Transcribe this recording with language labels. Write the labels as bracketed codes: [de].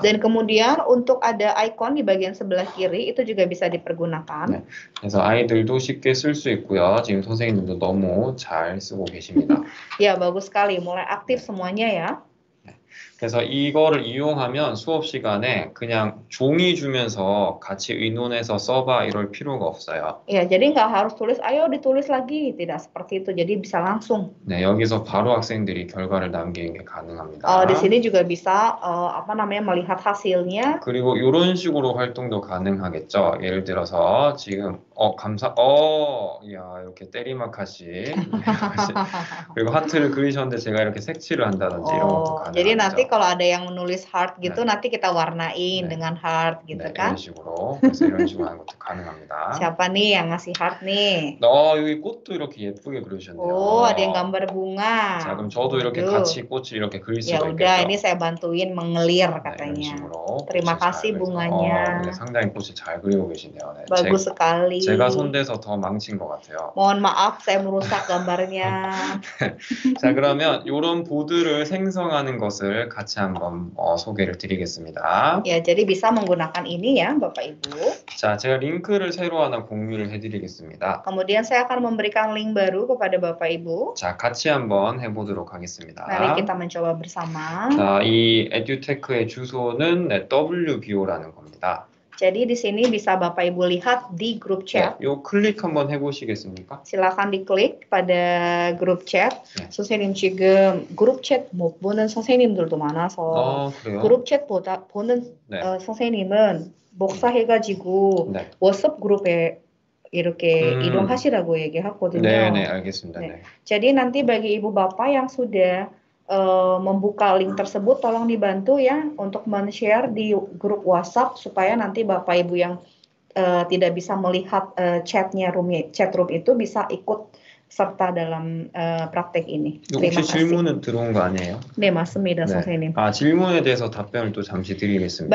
[id] Dan kemudian untuk ada icon di bagian sebelah kiri itu juga bisa dipergunakan. [ko] 네, 그래서 아이들도 쉽게 쓸 수 있고요. 지금 선생님도 너무 잘 쓰고 계십니다. [id] 예, yeah, bagus sekali. Mulai aktif semuanya ya. [ko] 그래서 이거를 이용하면 수업 시간에 그냥 종이 주면서 같이 의논해서 써봐 이럴 필요가 없어요. [id] 예, jadi nggak harus tulis, ayo ditulis lagi, tidak seperti itu. Jadi bisa langsung. [ko] 네, 여기서 바로 학생들이 결과를 남기는 게 가능합니다. [id] di sini juga bisa, apa namanya, melihat hasilnya. [ko] 그리고 이런 식으로 활동도 가능하겠죠. 예를 들어서 지금, 감사, 이야, 이렇게 때리마카시. 그리고 하트를 그리셨는데 제가 이렇게 색칠을 한다든지 이런 것도 가능합니다. [id] Jadi nanti kalau ada yang menulis heart gitu 네. nanti kita warnain 네. dengan heart gitu 네, kan. [ko] 이런 식으로 이런 식으로 하는 것도 가능합니다. [id] Siapa nih yang ngasih heart nih? [ko] 너 여기 꽃도 이렇게 예쁘게 그리셨네요. [id] 오, ada yang gambar bunga. [ko] 자, 그럼 저도 이렇게 Aduh. 같이 꽃을 이렇게 그릴 수가 있겠죠. [id] 야, [ko] 우리가 [id] ini saya bantuin mengelir katanya. 네, [ko] 이런 식으로 [id] terima kasih bunganya. [ko] 상당히 꽃이 잘 그리고 계시네요. [id] Bagus sekali. [ko] 제가 손대서 더 망친 것 같아요. [id] Mohon maaf saya merusak gambarnya. [ko] 자, 그러면 이런 보드를 생성하는 것을 같이 한번 소개를 드리겠습니다. [id] 예, yeah, jadi bisa menggunakan ini ya, Bapak Ibu. [ko] 자, 제가 링크를 새로 하나 공유를 해드리겠습니다. [id] Kemudian saya akan memberikan link baru kepada Bapak Ibu. [ko] 자, 같이 한번 해보도록 하겠습니다. [id] Mari kita mencoba bersama. [ko] 자, 이 EduTech의 주소는 네, WBO라는 겁니다. [id] Jadi di sini bisa Bapak Ibu lihat di grup chat. [ko] 요 클릭 한번 해보시겠습니까? [id] Silakan diklik pada grup chat. [ko] 선생님 지금 그룹 chat 보는 선생님들도 많아서 그룹 chat 보다 보는 네. 선생님은 복사해가지고 네. 워스업 그룹에 이렇게 이동하시라고 얘기했거든요. 네네 알겠습니다. 네. 네. [id] �adi nanti bagi ibu bapak yang sudah membuka link tersebut tolong dibantu ya untuk men-share di grup WhatsApp supaya nanti Bapak Ibu yang tidak bisa melihat chatnya chat room itu bisa ikut serta dalam praktek ini. [ko] 혹시 질문은 들어온 거 아니에요? 네, 맞습니다, 네. 선생님. 아, 질문에 대해서 답변을 또 잠시 드리겠습니다.